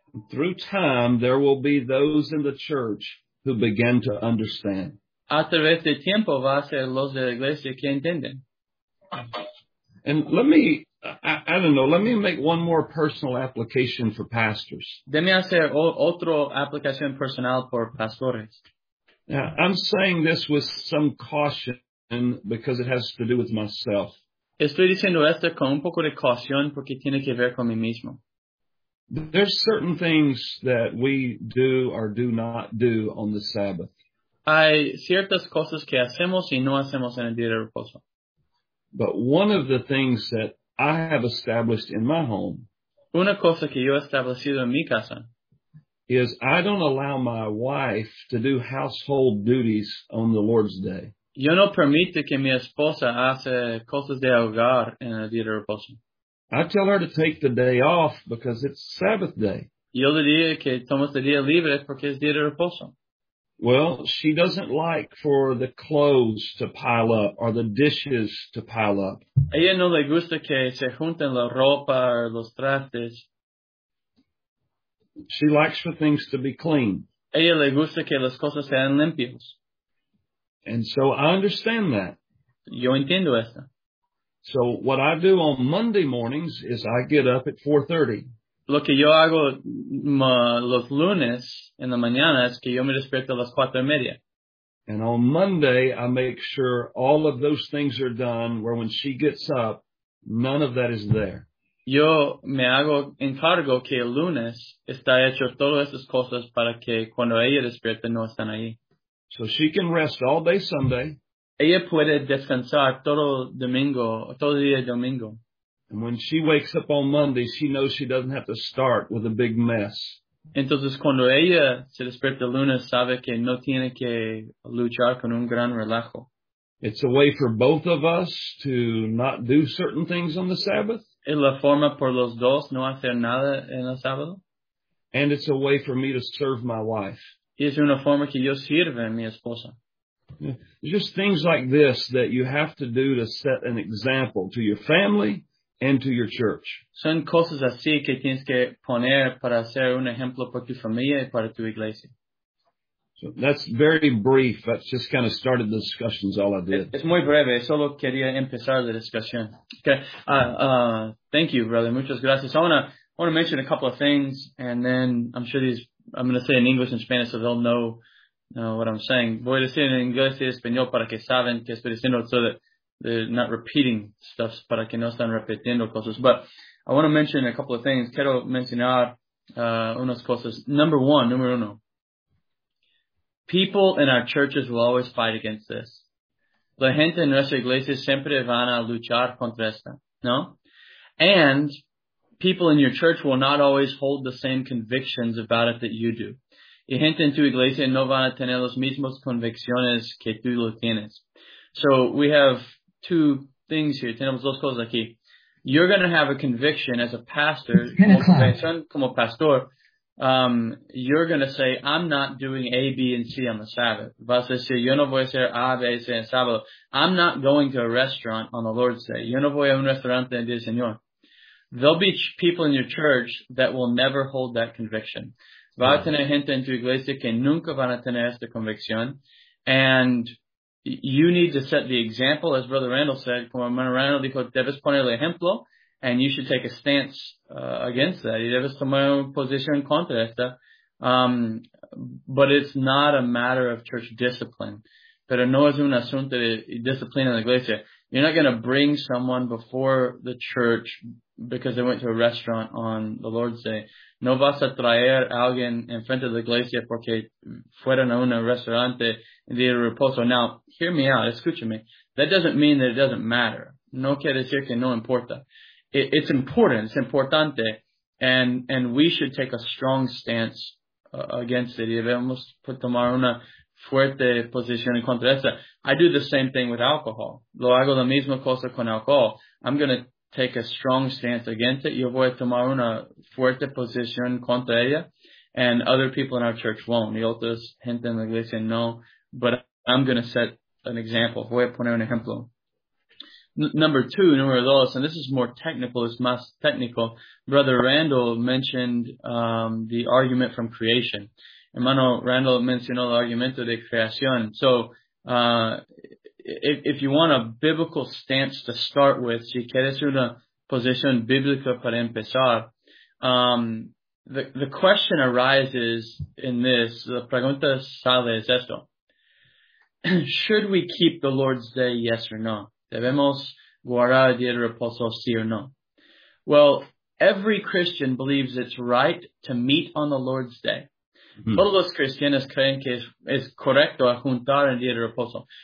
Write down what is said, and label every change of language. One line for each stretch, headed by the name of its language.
English: Through time, there will be those in the church who begin to understand.
Spanish: A través del tiempo, va a ser los de la iglesia que entienden.
English: And let me, I don't know, let me make one more personal application for pastors.
Spanish: Deme hacer otra aplicación personal por pastores.
English: Now, I'm saying this with some caution. And because it has to do with myself.
Spanish: Estoy diciendo esto con un poco de caución porque tiene que ver con mí mismo.
English: There's certain things that we do or do not do on the Sabbath.
Spanish: Hay ciertas cosas que hacemos y no hacemos en el día de reposo.
English: But one of the things that I have established in my home.
Spanish: Una cosa que yo he establecido en mi casa.
English: Is I don't allow my wife to do household duties on the Lord's Day.
Spanish: Yo no permito que mi esposa hace cosas de hogar en el día de reposo.
English: I tell her to take the day off because it's Sabbath day.
Spanish: Yo le digo que tomas el día libre porque es día de reposo.
English: Well, she doesn't like for the clothes to pile up or the dishes to pile up.
Spanish: Ella no le gusta que se junten la ropa o los trastes.
English: She likes for things to be clean.
Spanish: Ella le gusta que las cosas sean limpias.
English: And so I understand that.
Spanish: Yo entiendo eso.
English: So what I do on Monday mornings is I get up at 4:30.
Spanish: Lo que yo hago los lunes en la mañana es que yo me despierto a las 4:30.
English: And on Monday, I make sure all of those things are done where when she gets up, none of that is there.
Spanish: Yo me hago encargo que el lunes está hecho todas esas cosas para que cuando ella despierta no están ahí.
English: So she can rest all day Sunday.
Spanish: Ella puede descansar todo domingo, todo día domingo.
English: And when she wakes up on Monday, she knows she doesn't have to start with a big mess.
Spanish: Entonces cuando ella se despierta lunes, sabe que no tiene que luchar con un gran relajo.
English: It's a way for both of us to not do certain things on the Sabbath.
Spanish: Es la forma por los dos no hacer nada en el sábado.
English: And it's a way for me to serve my wife.
Spanish: Es una forma que yo sirve a mi esposa.
English: Just things like this that you have to do to set an example to your family and to your church.
Spanish: Son cosas así que tienes que poner para ser un ejemplo para tu familia y para tu iglesia.
English: So that's very brief. That's just kind of started the discussions, all I did.
Spanish: Es muy breve. Solo quería empezar la discusión.
English: Okay. Thank you, brother.
Spanish: Muchas gracias.
English: I want to mention a couple of things, and then I'm sure I'm going to say in English and Spanish so they'll know what I'm saying.
Spanish: Voy a decir en inglés y español para que saben que estoy diciendo,
English: so that they're not repeating stuff,
Spanish: para que no están repitiendo cosas.
English: But I want to mention a couple of things.
Spanish: Quiero mencionar unas cosas. Número uno.
English: People in our churches will always fight against this.
Spanish: La gente en nuestra iglesia siempre van a luchar contra esta, ¿no?
English: And people in your church will not always hold the same convictions about it that you do.
Spanish: Y gente en tu iglesia no van a tener los mismos convicciones que tú lo tienes.
English: So we have two things here.
Spanish: Tenemos dos cosas aquí.
English: You're going to have a conviction as a pastor.
Spanish: Como pastor.
English: You're going to say, I'm not doing A, B, and C on the Sabbath.
Spanish: Vas a decir, yo no voy a hacer A, B, C en sábado.
English: I'm not going to a restaurant on the Lord's Day.
Spanish: Yo no voy a un restaurante en día Señor.
English: There'll be people in your church that will never hold that conviction.
Spanish: Va a tener gente en tu iglesia que nunca van a tener esta convicción.
English: And you need to set the example, as Brother Randall said,
Spanish: como hermano Randall dijo, debes poner el ejemplo,
English: and you should take a stance against that.
Spanish: Y debes tomar una posición contra esta.
English: But it's not a matter of church discipline.
Spanish: Pero no es un asunto de disciplina en la iglesia.
English: You're not going to bring someone before the church because they went to a restaurant on the Lord's Day.
Spanish: No vas a traer a alguien en frente de la iglesia porque fueron a un restaurante en día de reposo.
English: Now, hear me out.
Spanish: Escúchame.
English: That doesn't mean that it doesn't matter.
Spanish: No quiere decir que no importa.
English: It's important. It's importante. And we should take a strong stance against it.
Spanish: Y debemos tomar una fuerte posición en contra de esa.
English: I do the same thing with alcohol.
Spanish: Lo hago la misma cosa con alcohol.
English: I'm going to take a strong stance against it.
Spanish: Yo voy a tomar una fuerte posición contra ella,
English: and other people in our church won't.
Spanish: Y otras gente en la iglesia no,
English: but I'm going to set an example.
Spanish: Voy a poner un ejemplo. Número dos,
English: and this is more technical, it's más technical. Brother Randall mentioned the argument from creation.
Spanish: Hermano Randall mencionó el argumento de creación.
English: So, if you want a biblical stance to start with,
Spanish: si quieres una posición bíblica para empezar,
English: the question arises in this,
Spanish: la pregunta sale es esto.
English: Should we keep the Lord's Day, yes or no?
Spanish: Debemos guardar el día de reposo, sí o no?
English: Well, every Christian believes it's right to meet on the Lord's Day.
Spanish: Todos los cristianos creen que es correcto juntar en día de reposo.